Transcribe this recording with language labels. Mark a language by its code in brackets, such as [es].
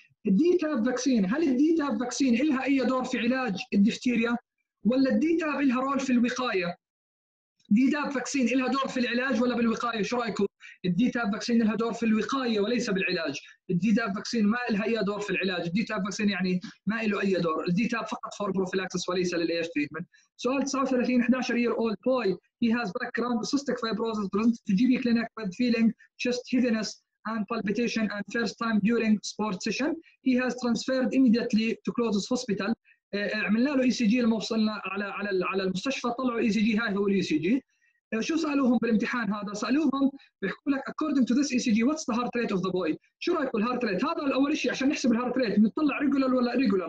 [ar] الديتاب فاكسين، هل الديتاب فاكسين لها اي دور في علاج الدفتيريا ولا الديتاب لها رول في الوقايه؟ ديتاب فاكسين لها دور في العلاج ولا بالوقاية؟ شو رأيكم؟ الديتاب فاكسين لها دور في الوقاية وليس بالعلاج. الديتاب فاكسين ما لها أي دور في العلاج. الديتاب فاكسين يعني ما له أي دور. الديتاب فقط فور بروفيلاكسس وليس للإيش تريتمنت. سؤال [en] 39 11 year old boy. He has background cystic fibrosis presented to GP clinic with feeling chest heaviness and palpitation and first time during sports session. He has transferred immediately to closest hospital. [ar] عملنا له ECG لما وصلنا على على على المستشفى طلعوا ECG. هاي هو ECG. شو سألوهم بالامتحان هذا؟ سألوهم بيحكوا لك [en] according to this ECG what's the heart rate of the boy. [ar] شو رأيك بالheart rate؟ هذا الأول شيء عشان نحسب الheart rate نطلع regular ولا irregular.